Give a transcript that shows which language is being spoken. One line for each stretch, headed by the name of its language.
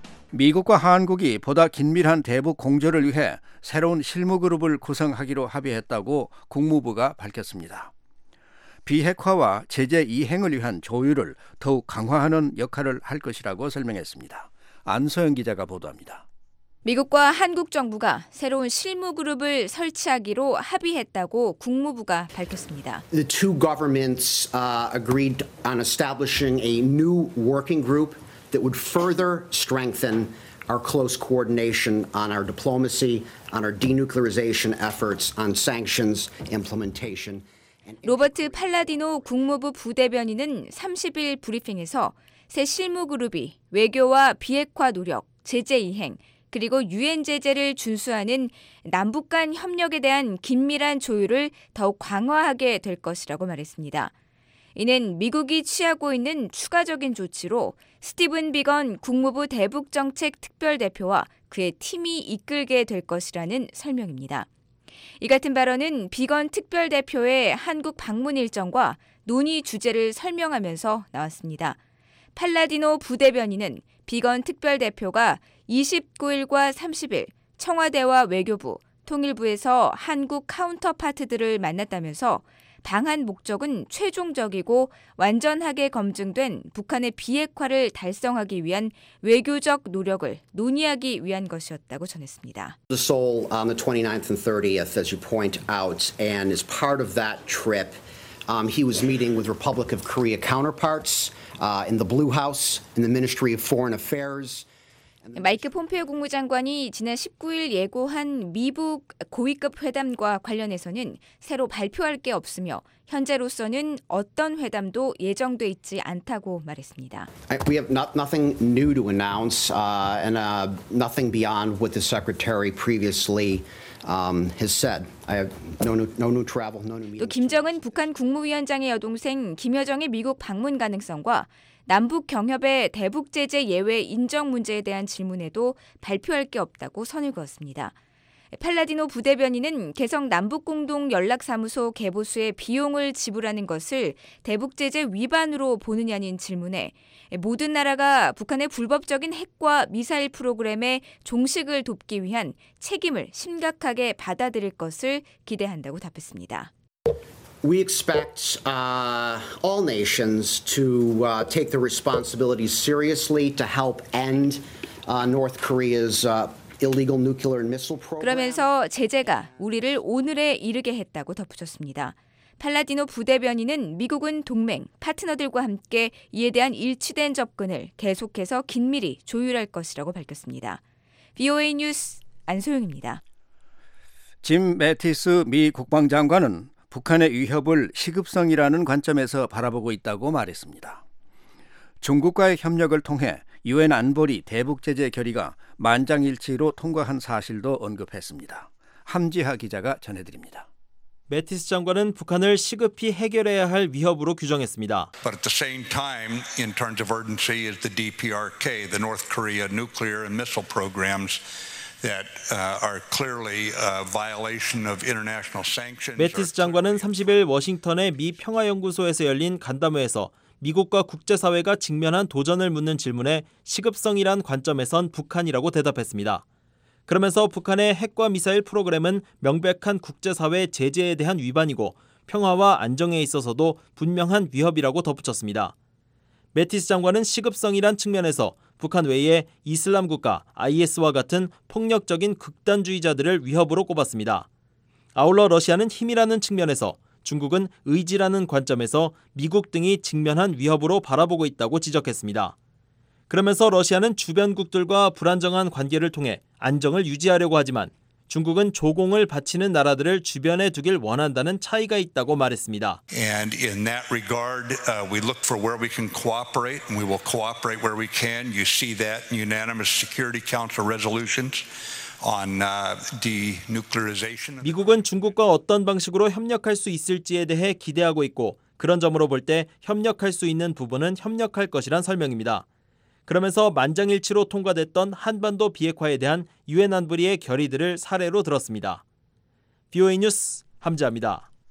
Korean: 미국과 한국이 보다 긴밀한 대북 공조를 위해 새로운 실무그룹을 구성하기로 합의했다고 국무부가 밝혔습니다. 비핵화와 제재 이행을 위한 조율을 더욱 강화하는 역할을 할 것이라고 설명했습니다. 안소영 기자가 보도합니다. 미국과 한국 정부가 새로운 실무그룹을 설치하기로 합의했다고 국무부가 밝혔습니다.
English: The two governments agreed on establishing a new working group that would further strengthen our close coordination on our diplomacy, on our denuclearization efforts, on sanctions implementation.
Korean: 로버트 팔라디노 국무부 부대변인은 30일 브리핑에서 새 실무그룹이 외교와 비핵화 노력, 제재 이행, 그리고 유엔 제재를 준수하는 남북 간 협력에 대한 긴밀한 조율을 더욱 강화하게 될 것이라고 말했습니다. 이는 미국이 취하고 있는 추가적인 조치로 스티븐 비건 국무부 대북정책특별대표와 그의 팀이 이끌게 될 것이라는 설명입니다. 이 같은 발언은 비건 특별대표의 한국 방문 일정과 논의 주제를 설명하면서 나왔습니다. 팔라디노 부대변인은 비건 특별대표가 29일과 30일 청와대와 외교부, 통일부에서 한국 카운터파트들을 만났다면서 방한 목적은 최종적이고 완전하게 검증된 북한의 비핵화를 달성하기 위한 외교적 노력을 논의하기 위한 것이었다고 전했습니다.
English: The Seoul on the 29th and 30th, as you point out, and as part of that trip, he was meeting with Republic of Korea counterparts in the Blue House in the Ministry of Foreign Affairs.
Korean: 마이크 폼페이오 국무장관이 지난 19일 예고한 미북 고위급 회담과 관련해서는 새로 발표할 게 없으며 현재로서는 어떤 회담도 예정돼 있지 않다고 말했습니다.
English: We have nothing new to announce and nothing beyond what the secretary previously has said. I have no new travel, no new meetings.
Korean: 또 김정은 북한 국무위원장의 여동생 김여정의 미국 방문 가능성과 남북 경협의 대북 제재 예외 인정 문제에 대한 질문에도 발표할 게 없다고 선을 그었습니다. 팔라디노 부대변인은 개성 남북공동연락사무소 개보수의 비용을 지불하는 것을 대북 제재 위반으로 보느냐는 질문에 모든 나라가 북한의 불법적인 핵과 미사일 프로그램의 종식을 돕기 위한 책임을 심각하게 받아들일 것을 기대한다고 답했습니다.
English: We expect all nations to take the responsibility seriously to help end North Korea's illegal nuclear and missile program.
Korean: 그러면서 제재가 우리를 오늘에 이르게 했다고 덧붙였습니다. 팔라디노 부대변인은 미국은 동맹, 파트너들과 함께 이에 대한 일치된 접근을 계속해서 긴밀히 조율할 것이라고 밝혔습니다. VOA 뉴스 안소영입니다. 짐 매티스 미 국방장관은 북한의 위협을 시급성이라는 관점에서 바라보고 있다고 말했습니다. 중국과의 협력을 통해 유엔 안보리 대북 제재 결의가 만장일치로 통과한 사실도 언급했습니다. 함지하 기자가 전해드립니다. 매티스 장관은 북한을 시급히 해결해야 할 위협으로 규정했습니다.
English: But at the same time, in terms of urgency, is the DPRK, the North Korea nuclear and missile programs. That are clearly a violation of international sanctions.
Korean: 매티스 장관은 30일 워싱턴의 미 평화연구소에서 열린 간담회에서 미국과 국제사회가 직면한 도전을 묻는 질문에 시급성이란 관점에선 북한이라고 대답했습니다. 그러면서 북한의 핵과 미사일 프로그램은 명백한 국제사회 제재에 대한 위반이고 평화와 안정에 있어서도 분명한 위협이라고 덧붙였습니다. 매티스 장관은 시급성이란 측면에서 북한 외에 이슬람 국가 IS와 같은 폭력적인 극단주의자들을 위협으로 꼽았습니다. 아울러 러시아는 힘이라는 측면에서 중국은 의지라는 관점에서 미국 등이 직면한 위협으로 바라보고 있다고 지적했습니다. 그러면서 러시아는 주변국들과 불안정한 관계를 통해 안정을 유지하려고 하지만 중국은 조공을 바치는 나라들을 주변에 두길 원한다는 차이가 있다고 말했습니다.
English: And in that regard, we look for where we can cooperate, and we will cooperate where we can. You see that in unanimous Security Council resolutions on denuclearization.
Korean: 미국은 중국과 어떤 방식으로 협력할 수 있을지에 대해 기대하고 있고 그런 점으로 볼 때 협력할 수 있는 부분은 협력할 것이란 설명입니다. 그러면서 만장일치로 통과됐던 한반도 비핵화에 대한 유엔 안보리의 결의들을 사례로 들었습니다. BOA 뉴스 함지아입니다.